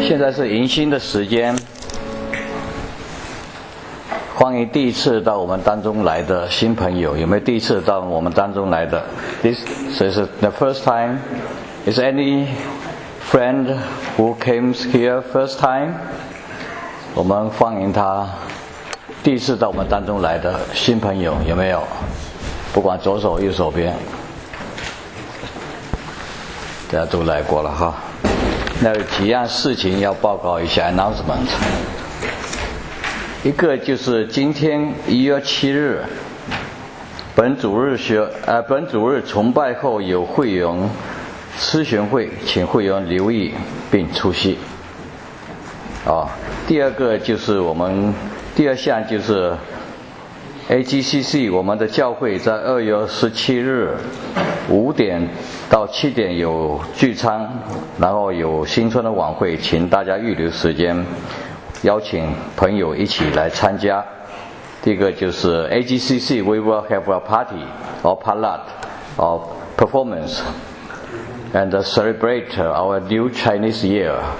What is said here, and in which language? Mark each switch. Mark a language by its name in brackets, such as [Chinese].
[Chinese] 是迎新的时间，欢迎第一次到我们当中来的新朋友。有没有第一次到我们当中来的？ [English] This is the first time. Is any friend who came here first time? [Chinese] 我们欢迎他第一次到我们当中来的新朋友，有没有？不管左手右手边，大家都来过了哈。那有几样事情要报告一下 announcement。一个就是今天1月7日本主日崇拜后有会员咨询会，请会员留意并出席。第二个就是我们第二项就是 AGCC 我们的教会在2月17日5点到7点有聚餐，然后有新春的晚会，请大家预留时间，邀请朋友一起来参加。第一个就是 [English] AGCC, we will have a party or potluck or performance and celebrate our new Chinese year.